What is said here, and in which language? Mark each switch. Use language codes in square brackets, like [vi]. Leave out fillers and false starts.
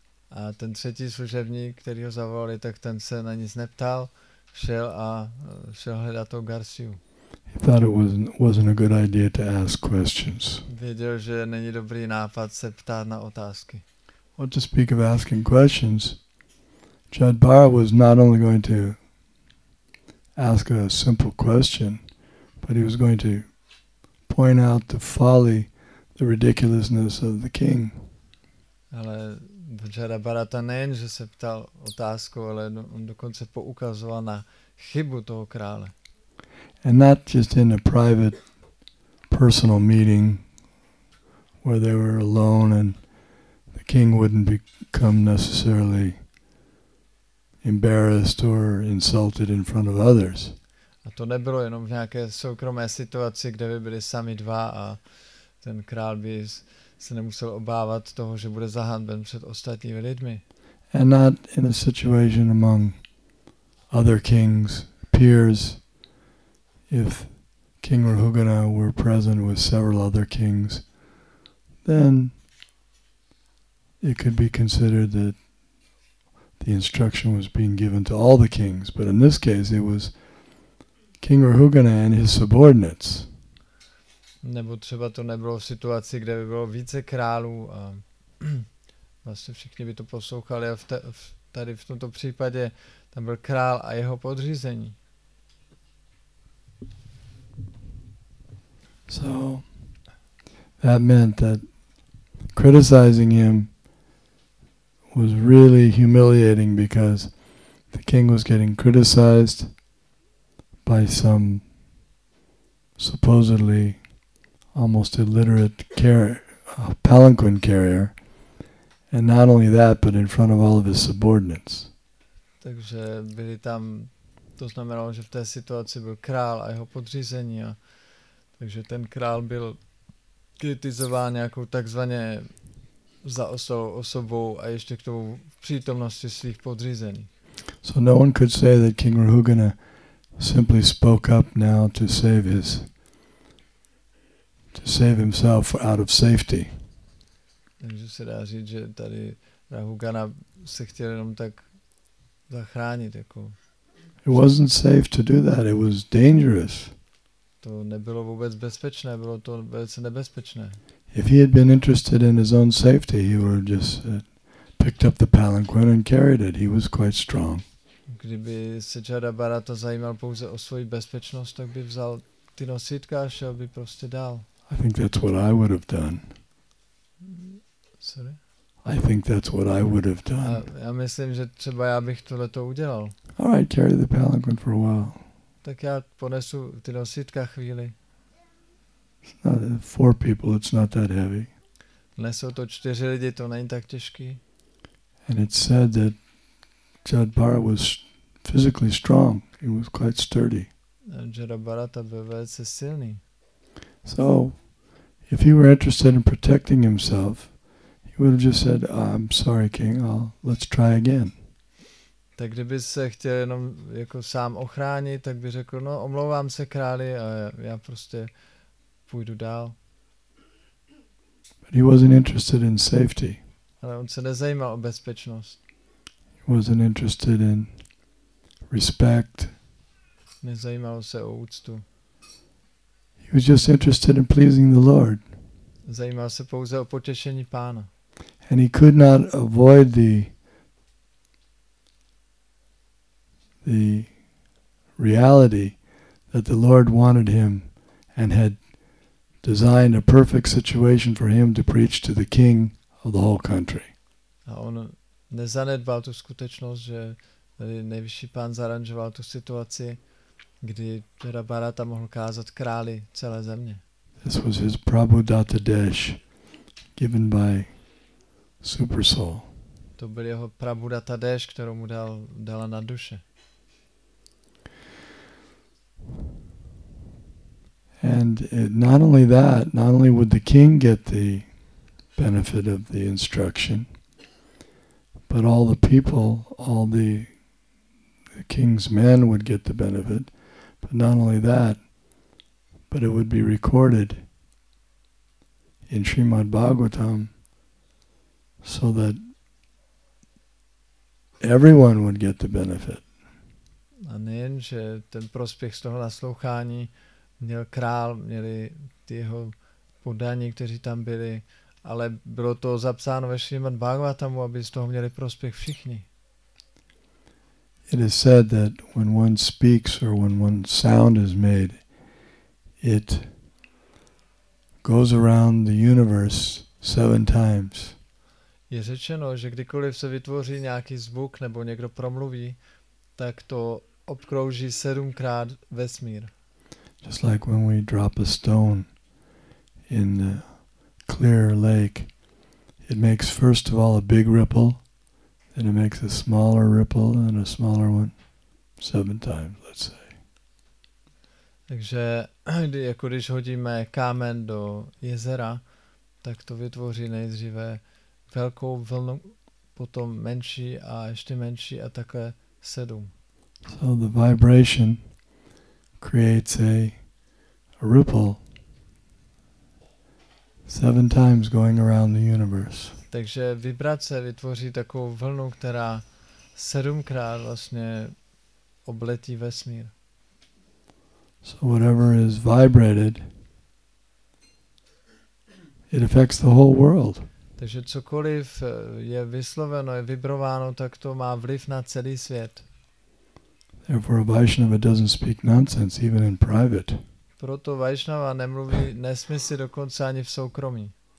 [cs] A ten třetí služebník, který ho zavolali, tak ten se na nic neptal, šel hledat toho Garciu. [en] He thought it wasn't a good idea to ask questions. [cs] Věděl, že není dobrý nápad se ptát na otázky. [en] What to speak of asking questions? Jadbara was not only going to ask a simple question, but he was going to point out the folly, the ridiculousness of the king. [cs] Ale Včera Barata nejen, že se ptal otázku, ale on dokonce poukazoval na chybu toho krále. [en] And not just in a private, personal meeting, where they were alone and the king wouldn't become necessarily embarrassed or insulted in front of others. [cs] A to nebylo jenom v nějaké soukromé situaci, kde by byli sami dva a ten král by se nemusel obávat toho, že bude zahanben před ostatními lidmi. [en] And not in a situation among other kings, peers, if King Rahugana were present with several other kings, then it could be considered that the instruction was being given to all the kings. But in this case, it was King Rahugana and his subordinates. [cs] Nebo třeba to nebylo v situaci, kde by bylo více králů a vlastně všichni by to poslouchali. A tady v tomto případě tam byl král a jeho podřízení. [en] So that meant that criticizing him was really humiliating because the king was getting criticized by some supposedly almost illiterate palanquin carrier, and not only that, but in front of all of his subordinates. [cs] Takže byli tam, to znamenalo, že v té situaci byl král a jeho podřízení, a takže ten král byl kritizován nějakou takzvaně zaostalou osobou a ještě k tomu v přítomnosti svých podřízených. [en] So no one could say that King Rahugana simply spoke up now to save his himself out of safety. [cs] Takže se dá říct, že tady Rahugana se chtěl jenom tak zachránit jako. [en] It wasn't safe to do that. It was dangerous. [cs] To nebylo vůbec bezpečné, bylo to velice nebezpečné. [en] If he had been interested in his own safety, he would have just picked up the palanquin and carried it. He was quite strong. [cs] Kdyby se Čadabara to zajímal pouze o svoji bezpečnost, tak by vzal ty nosítka a šel by prostě dál. [en] I think that's what I would have done. Sorry? I think that's what I would have done. [cs] Já myslím, že třeba já bych tohle to udělal. [en] All right, carry the palanquin for a while. [cs] Tak já ponesu ty nosítka chvíli. [en] It's not four people, it's not that heavy. [cs] Nesou to čtyři lidi, to není tak těžký. [en] And it said that Jadbara was physically strong. He was quite sturdy. [cs] Jadbara to byl velice silný. [en] So, if he were interested in protecting himself, he would have just said, "I'm sorry, King. Let's try again." [cs] Tak kdyby se chtěl jenom jako sám ochránit, tak by řekl, no, omlouvám se, králi, a já prostě půjdu dál. [en] But he wasn't interested in safety. [cs] Ale on se nezajímal o bezpečnost. [en] He wasn't interested in respect. [cs] Nezajímal se o úctu. [en] He was just interested in pleasing the Lord. [cs] Zajímal se pouze o potěšení pána. [en] And he could not avoid the reality that the Lord wanted him and had designed a perfect situation for him to preach to the king of the whole country. [cs] A on nezanedbal tu skutečnost, že nejvyšší pán zaranžoval tu situaci, kdy teda Bharata mohl kázat králi celé země. [en] This was his Prabhudatta Desh given by Supersoul. [cs] To byl jeho Prabhudatta Desh, kterou mu dala na duše. [en] And it, not only that, not only would the king get the benefit of the instruction, but all the people, all the king's men would get the benefit. But not only that, but it would be recorded in Srimad Bhagavatam so that everyone would get the benefit. [cs] A nejen, že ten prospěch z toho naslouchání měl král, měli ty jeho podaní, kteří tam byli, ale bylo to zapsáno ve Srimad Bhagavatamu, aby z toho měli prospěch všichni. [en] It is said that when one speaks or when one sound is made, it goes around the universe seven times. [cs] Je řečeno, že kdykoliv se vytvoří nějaký zvuk nebo někdo promluví, tak to obkrouží sedmkrát vesmír. [en] Just like when we drop a stone in the clear lake, it makes first of all a big ripple. And it makes a smaller ripple and a smaller one, seven times, let's say. [cs] Takže jako když hodíme kámen do jezera, tak to vytvoří nejdříve velkou vlnu, potom menší a ještě menší a takhle sedm. [en] So the vibration creates a ripple seven times going around the universe. [cs] Takže vibrace vytvoří takovou vlnu, která sedmkrát vlastně obletí vesmír. [en] So whatever is vibrated, it affects the whole world. [cs] Takže cokoliv je vysloveno, je vibrováno, tak to má vliv na celý svět. [en] Therefore, a Vaishnava doesn't speak nonsense even in private. [cs] Proto Vaishnava nemluví nesmysly dokonce ani v soukromí.